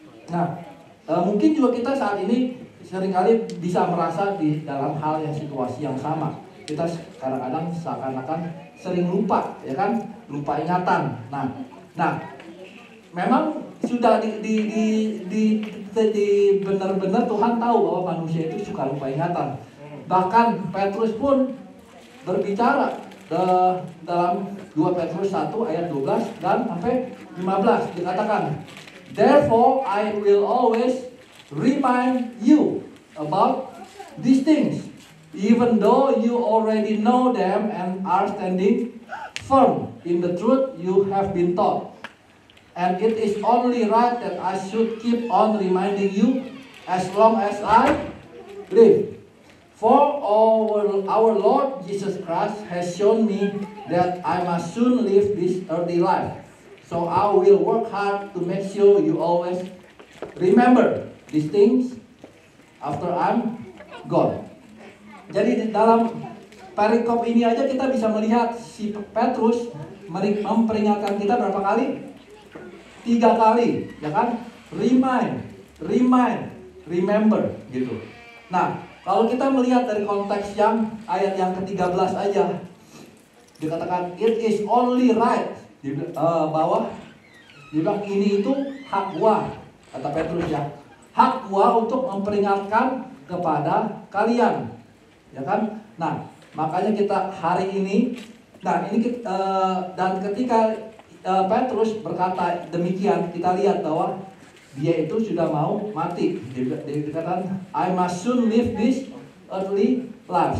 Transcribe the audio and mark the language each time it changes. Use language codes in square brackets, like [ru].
[id] Nah, mungkin juga kita saat ini seringkali bisa merasa di dalam hal yang situasi yang sama. Kita kadang-kadang seakan-akan sering lupa, ya kan? Lupa ingatan. Nah, memang sudah di benar-benar Tuhan tahu bahwa manusia itu suka lupa ingatan. Bahkan Petrus pun berbicara dalam 2 Petrus 1 ayat 12 dan sampai 15 dikatakan, [en] therefore I will always remind you about these things, even though you already know them and are standing firm in the truth you have been taught. And it is only right that I should keep on reminding you as long as I live. For our Lord Jesus Christ has shown me that I must soon live this earthly life. So I will work hard to make sure you always remember these things after I'm gone. [id] Jadi di dalam perikop ini aja kita bisa melihat si Petrus memperingatkan kita berapa kali? 3 kali, ya kan? Remind, remember, gitu. Nah, kalau kita melihat dari konteks yang ayat yang ke-13 aja, dikatakan [en] it is only right. [id] Dibilang ini itu hak gua, kata Petrus ya, hak gua untuk memperingatkan kepada kalian, ya kan? Nah, makanya kita hari ini, dan ketika Petrus berkata demikian, kita lihat bahwa dia itu sudah mau mati. Dikatakan [en] I must soon live this earthly life.